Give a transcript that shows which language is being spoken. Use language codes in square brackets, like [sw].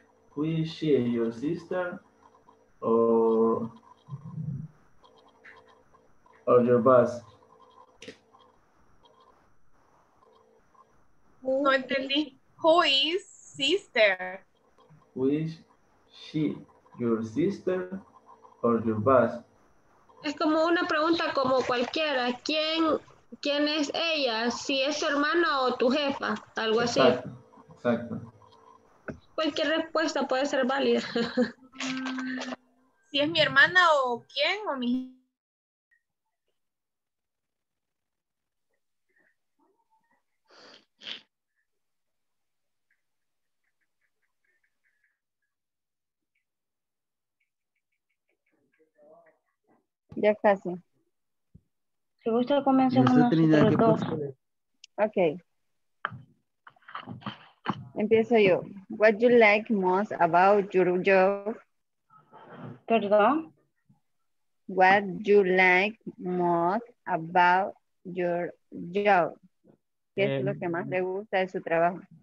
[en] Who is she, your sister or your boss? [es] No entendí. [en] Who is sister? Who is she, your sister or your boss? [es] Es como una pregunta como cualquiera. ¿Quién es ella? Si es tu hermano o tu jefa, algo así. Exacto. Cualquier respuesta puede ser válida. Si es mi hermana o quién o mi... Ya casi. Si gusta, comencemos nosotros dos. Ok. Empiezo yo. [en] What do you like most about your job? [es] Perdón. [en] What do you like most about your job? [es] ¿Qué es lo que más le gusta de su trabajo?